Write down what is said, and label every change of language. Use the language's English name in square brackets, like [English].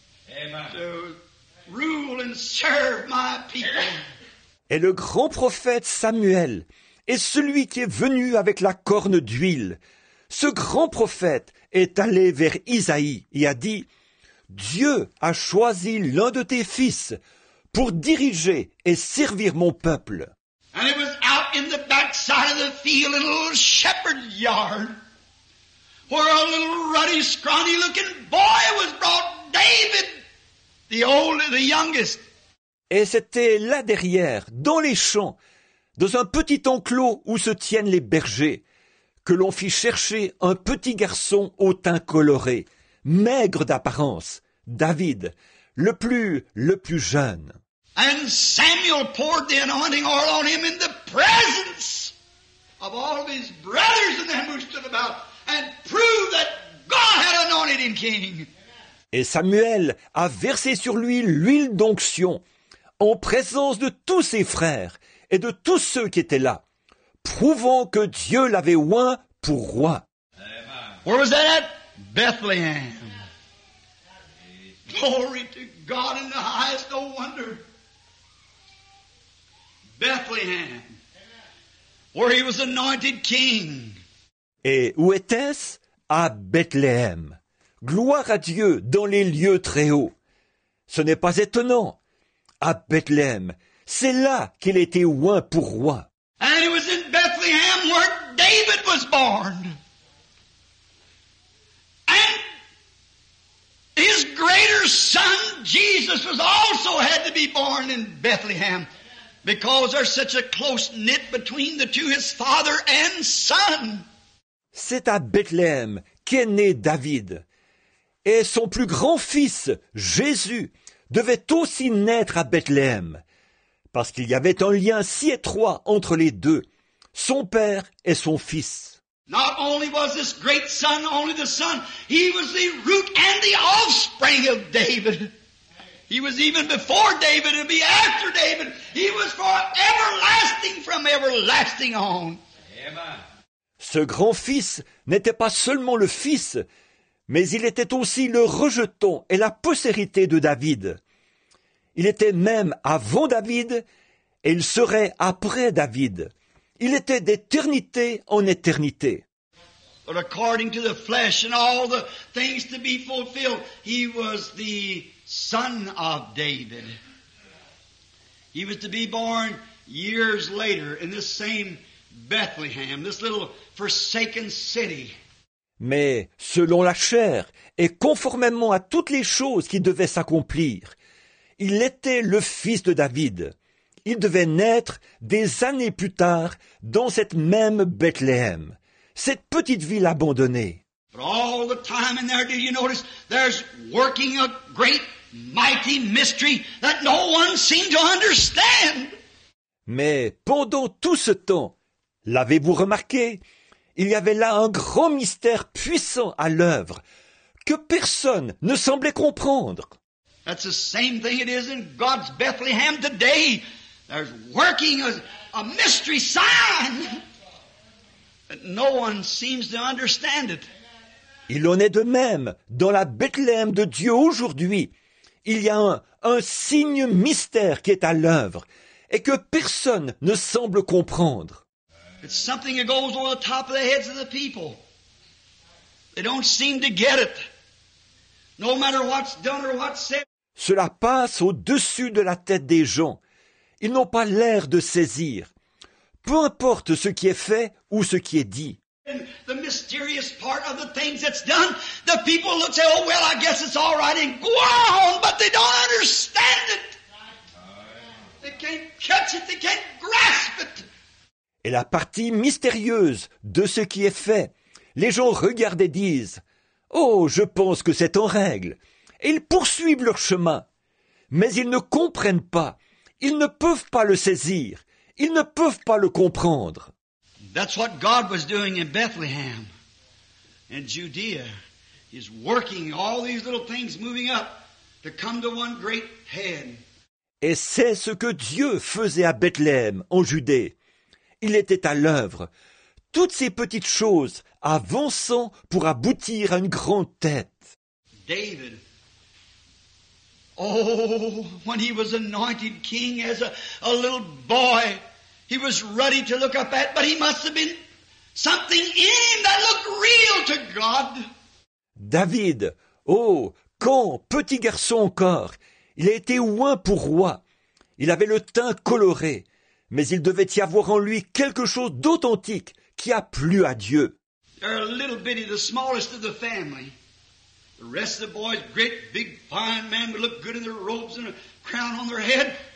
[English] Amen. To rule and serve my people. [French] Et le grand prophète Samuel est celui qui est venu avec la corne d'huile. Ce grand prophète est allé vers Isaïe et a dit, « Dieu a choisi l'un de tes fils pour diriger et servir mon peuple. » [English] And it was out in the back side of the field in a little shepherd yard where a little ruddy, scrawny looking boy was brought, David, the youngest. [French] Et c'était là derrière, dans les champs, dans un petit enclos où se tiennent les bergers, que l'on fit chercher un petit garçon au teint coloré, maigre d'apparence, David, le plus jeune. [English] And Samuel poured the anointing oil on him in the presence of all of his brothers and them who stood about and proved that God had anointed him king. [French] Et Samuel a versé sur lui l'huile d'onction en présence de tous ses frères et de tous ceux qui étaient là, prouvant que Dieu l'avait oint pour roi. [English] Where was that at? Bethlehem. Glory to God in the highest, no wonder. Bethlehem. Where he was anointed king. [French] Et où était-ce? À Bethléem. Gloire à Dieu dans les lieux très hauts. Ce n'est pas étonnant. À Bethléem, c'est là qu'il était oint pour roi. [English] And it was in Bethlehem where David was born. And his greater son, Jesus, was also had to be born in Bethlehem because there's such a close knit between the two, his father and son. [French] C'est à Bethlehem qu'est né David. Et son plus grand fils, Jésus, devait aussi naître à Bethléem, parce qu'il y avait un lien si étroit entre les deux, son père et son fils. [English] Not only was this great son only the son, he was the root and the offspring of David. He was even before David and be after David. He was for everlasting from everlasting on. Amen. [French] Ce grand fils n'était pas seulement le fils, mais il était aussi le rejeton et la postérité de David. Il était même avant David et il serait après David. Il était d'éternité en éternité. [English] But according to the flesh and all the things to be fulfilled, he was the son of David. He was to be born years later in this same Bethlehem, this little forsaken city. [French] Mais selon la chair et conformément à toutes les choses qui devaient s'accomplir, il était le fils de David. Il devait naître des années plus tard dans cette même Bethléem, cette petite ville abandonnée. [English] But all the time in there, did you notice, there's working a great mighty mystery that no one seemed to understand. [French] Mais pendant tout ce temps, l'avez-vous remarqué? Il y avait là un grand mystère puissant à l'œuvre que personne ne semblait comprendre. [English] That's the same thing it is in God's Bethlehem today. There's working a mystery sign. But no one seems to understand it. [French] Il en est de même dans la Bethléem de Dieu aujourd'hui. Il y a un signe mystère qui est à l'œuvre et que personne ne semble comprendre. [English] It's something that goes over the top of the heads of the people. They don't seem to get it. No matter what's done or what's said. [French] Cela passe au-dessus de la tête des gens. Ils n'ont pas l'air de saisir. Peu importe ce qui est fait ou ce qui est dit. [English] And the mysterious part of the things that's done, the people look say, oh well, I guess it's all right, and go on, but they don't understand it. They can't catch it, they can't grasp it. [French] Et la partie mystérieuse de ce qui est fait, les gens regardent et disent, oh, je pense que c'est en règle. Et ils poursuivent leur chemin, mais ils ne comprennent pas, ils ne peuvent pas le saisir, ils ne peuvent pas le comprendre. [English] That's what God was doing in Bethlehem, in Judea. He's working all these little things moving up to come to one great head. [French] Et c'est ce que Dieu faisait à Bethléem, en Judée. Il était à l'œuvre, toutes ces petites choses avançant pour aboutir à une grande tête. [English] David. Oh, when he was anointed king as a little boy, he was ruddy to look up at, but he must have been something in him that looked real to God. [French] David, oh, quand, petit garçon encore, il a été oint pour roi. Il avait le teint coloré, mais il devait y avoir en lui quelque chose d'authentique qui a plu à Dieu. [English] They're a little bitty, the smallest of the family. The rest of the boys, great, big, fine men, would look good in their robes and a crown on their head.